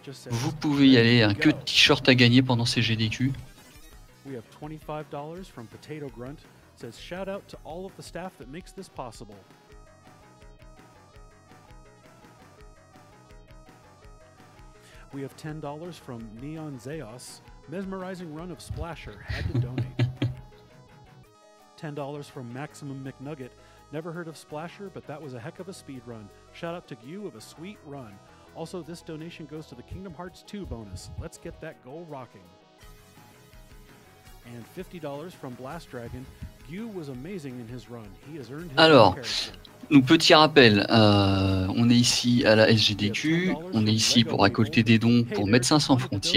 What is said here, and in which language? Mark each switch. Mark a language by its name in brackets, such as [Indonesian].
[French] Vous pouvez y aller, hein, que de t-shirt à gagner pendant ces GDQ. [English] We have $25 from Potato Grunt. Says shout out to all of the staff that makes this possible. We have $10 from Neon Zeos. Mesmerizing run of Splasher had to donate. $10 from Maximum McNugget. Never heard of Splasher, but that was a heck of a speed run. Shout out to you of a sweet run. Also, this donation goes to the Kingdom Hearts 2 bonus. Let's get that goal rocking. And $50 from Blast Dragon. Gyu was amazing in his run. He has earned his [French] Alors, donc petit rappel, on est ici à la SGDQ. On est ici pour récolter des dons pour Médecins Sans Frontières.